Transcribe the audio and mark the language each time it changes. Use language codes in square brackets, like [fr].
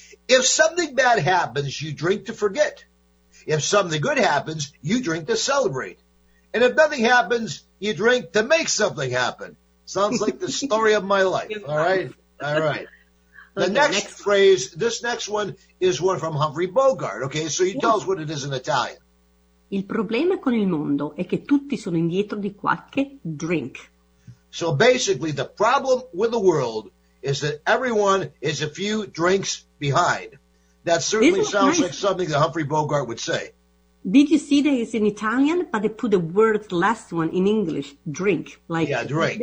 [en] If something bad happens, you drink to forget. If something good happens, you drink to celebrate. And if nothing happens, you drink to make something happen. Sounds like the story of my life. All right. All right. The next phrase, this next one is one from Humphrey Bogart. Okay. So you tell us what it is in Italian. [it] Il problema con il mondo è che tutti sono indietro di qualche drink. [en] So basically, the problem with the world is that everyone is a few drinks behind. That certainly sounds like something that Humphrey Bogart would say. Did you see that it's in Italian, but they put the word last one in English, drink. Like, yeah, drink,